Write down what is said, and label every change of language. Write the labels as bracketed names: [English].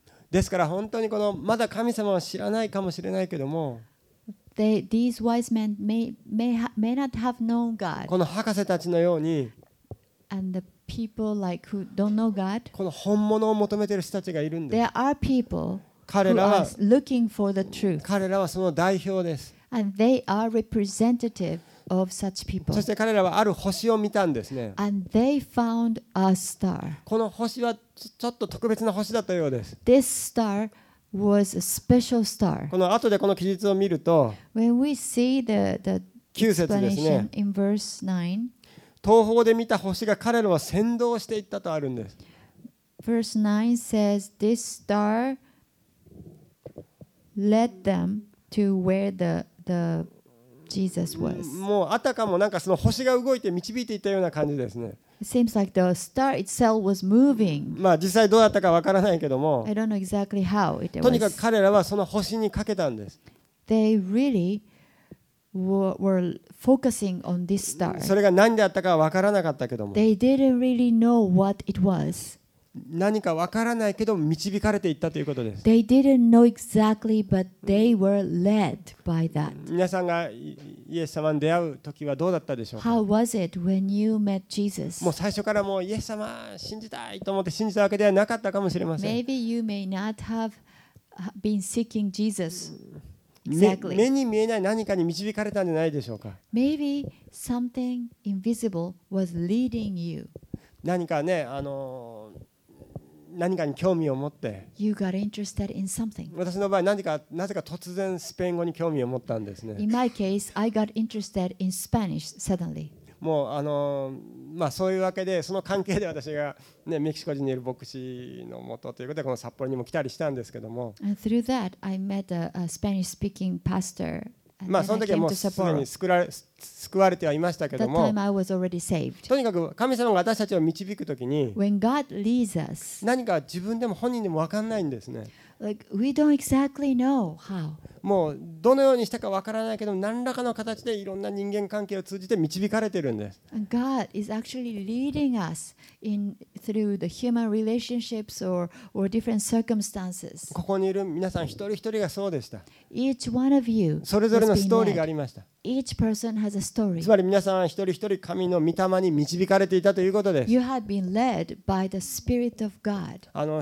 [Japanese] ですから本当にこのまだ神様は知らないかもしれないけども、 [English] these wise men may not have known God。 [Japanese] この博士たちのように、 [English] and the people like who don't know God。 [Japanese] この本物を求めている人たちがいるんです。 [English] There are people who are looking for the truth。 [Japanese] 彼らはその代表です。 [English] and they are representative。 Of such people. [Japanese] そして彼らはある星を見たんですね。 [English] And they found a star. [Japanese] この星はちょっと特別な星だったようです。 [English] This star was a special star. [Japanese] この後でこの記述を見ると、 [English] When we see the [Japanese] 九節ですね。 [English] In verse 9, [Japanese] 東方で見た星が彼らを先導していったとあるんです。 [English] Verse 9 says, This star led them to where the Jesus was. [Japanese] もうあたかもなんかその星が動いて導いていたような感じですね。 [English] It seems like the star itself was moving. [Japanese] まあ実際どうだったかわからないけども。 [English] I don't know exactly how it was. [Japanese] とにかく彼らはその星にかけたんです。 [English] They really were focusing on this star. [Japanese] それが何であったかわからなかったけども。 [English] They didn't really know what it was. [Japanese] 何かわからないけど導かれていったということです。 [English] They didn't know exactly, but they were led by that. [Japanese] 皆さんがイエス様に出会う時はどうだったでしょうか。 [English] How was it when you met Jesus? [Japanese] もう最初からもうイエス様信じたいと思って信じたわけではなかったかもしれません。 [English] Maybe you may not have been seeking Jesus. Exactly. [Japanese] 目に見えない何かに導かれたんじゃないでしょうか。 [English] Maybe something invisible was leading you. [Japanese] 何かね、何かに興味を持って、 [English] you got interested in something. [Japanese] 私の場合何かなぜか突然スペイン語に興味を持ったんですね。 [English] In my case, I got interested in Spanish suddenly. [Japanese] もうまあそういうわけでその関係で私が、ね、メキシコ人にいる牧師の元ということでこの札幌にも来たりしたんですけども。 [English] And through that, I met a Spanish speaking pastor. [Japanese] まあ、その時はもうすでに救われてはいましたけども、とにかく神様が私たちを導くときに、 [English] When God leads us, [Japanese] 何か自分でも本人でも分かんないんですね。 [English] Like we don't exactly know how. [Japanese] もうどのようにしたか分からないけど、何らかの形でいろんな人間関係を通じて導かれてるんです。 [English] God is actually leading us in through the human relationships or different circumstances. [Japanese] ここにいる皆さん一人一人がそうでした。 [English] Each one of you. [Japanese] それぞれのストーリーがありました。 [English] Each person has a story. [Japanese] つまり皆さん一人一人神の御霊に導かれていたということです。 [English] You have been led by the Spirit of God.